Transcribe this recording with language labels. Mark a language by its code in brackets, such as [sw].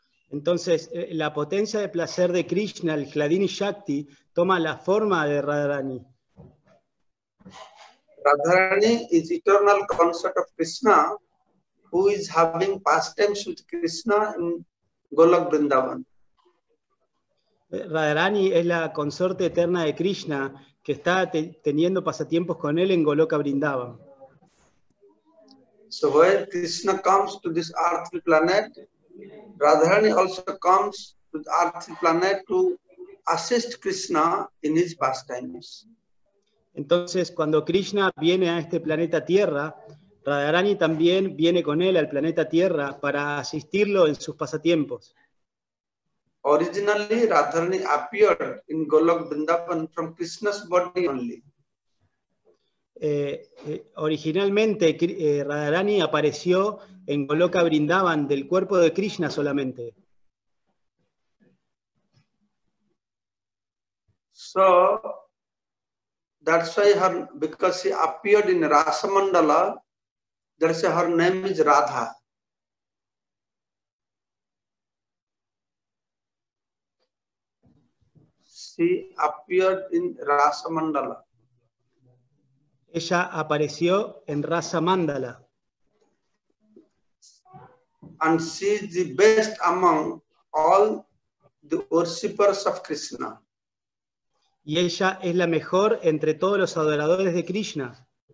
[es] Entonces, la potencia de placer de Krishna, el Kladini Shakti, toma la forma de Radharani. [en] Radharani is eternal consort of Krishna, who is having pastimes with Krishna in Golok Vrindavan. [es] Radharani es la consorte eterna de Krishna que está teniendo pasatiempos con él en Goloka Vrindavan. [en] So when Krishna comes to this earthly planet, Radharani also comes to the earthly planet to assist Krishna in his pastimes. [es] Entonces, cuando Krishna viene a este planeta Tierra, Radharani también viene con él al planeta Tierra para asistirlo en sus pasatiempos. [en] Originally, Radharani appeared in Golok Vrindavan from Krishna's body only. [es] Originalmente Radharani apareció en Goloka Vrindavan del cuerpo de Krishna solamente. [en] So that's why her because she appeared in Rasa Mandala, that's why her name is Radha. She appeared in Rasa Mandala. [es] Ella apareció en Rasa Mandala. [en] And she is the best among all the worshippers of Krishna. [es] Y ella es la mejor entre todos los adoradores de Krishna.